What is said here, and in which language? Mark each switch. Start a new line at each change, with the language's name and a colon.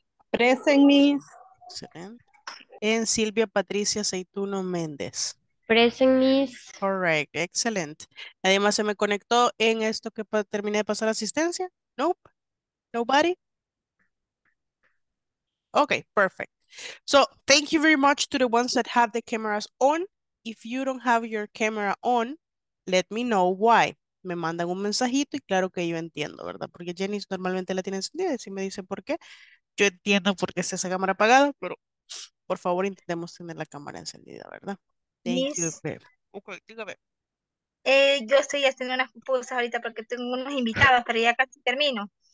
English: Present, Miss. Excellent. En Silvia Patricia Aceituno Méndez. Present, Miss. Correct, excellent.
Spanish: ¿Nadie más se me conectó en esto que terminé de pasar asistencia?
English: Nope. Nobody. Okay, perfect. So, thank you very much to the ones that have the cameras on. If you don't have your camera on, let me know why.
Spanish: Me mandan un mensajito y claro que yo entiendo, ¿verdad? Porque Jenny normalmente la tiene encendida y si me dice por qué, yo entiendo por qué está esa cámara apagada, pero por favor intentemos tener la cámara encendida, ¿verdad?
English: Thank you, babe.
Spanish: Okay, dígame. Yo estoy haciendo unas pupusas ahorita porque tengo unos invitados, pero ya casi termino.